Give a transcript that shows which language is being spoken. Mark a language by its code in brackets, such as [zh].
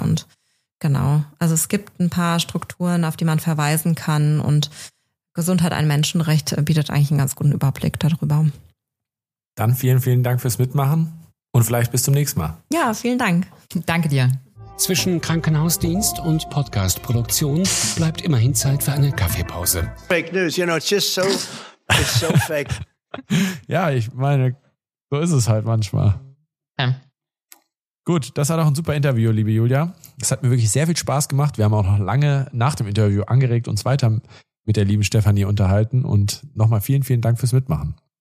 [de] Und genau, also es gibt ein paar Strukturen, auf die man verweisen kann und Gesundheit ein Menschenrecht bietet eigentlich einen ganz guten Überblick darüber. Dann vielen, vielen Dank fürs Mitmachen und vielleicht bis zum nächsten Mal. Ja, vielen Dank. Danke dir. Zwischen Krankenhausdienst und Podcastproduktion bleibt immerhin Zeit für eine Kaffeepause. [en] Fake news, you know, it's so fake. [de] Ja, ich meine, so ist es halt manchmal. Ja. Gut, das war doch ein super Interview, liebe Julia. Es hat mir wirklich sehr viel Spaß gemacht. Wir haben auch noch lange nach dem Interview angeregt uns weiter mit der lieben Stefanie unterhalten und nochmal vielen, vielen Dank fürs Mitmachen.